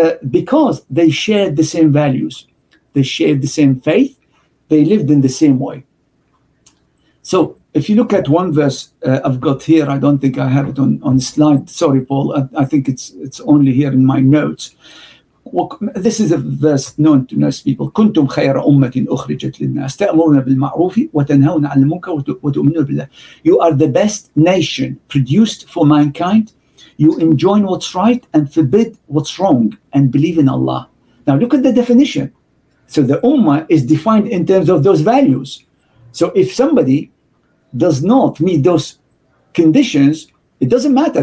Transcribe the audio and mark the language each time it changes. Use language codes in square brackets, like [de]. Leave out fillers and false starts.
[en] because they shared the same values, they shared the same faith, they lived in the same way. So if you look at one verse I've got here, I don't think I have it on the slide. Sorry, Paul, I think it's only here in my notes. This is a verse known to most people. [ar] كنتم خير أمة أخرجت للناس تأمرون بالمعروف وتنهون عن المنكر وتؤمنون بالله. [en] You are the best nation produced for mankind. You enjoin what's right and forbid what's wrong and believe in Allah. Now look at the definition. So the Ummah is defined in terms of those values. So if somebody does not meet those conditions, it doesn't matter.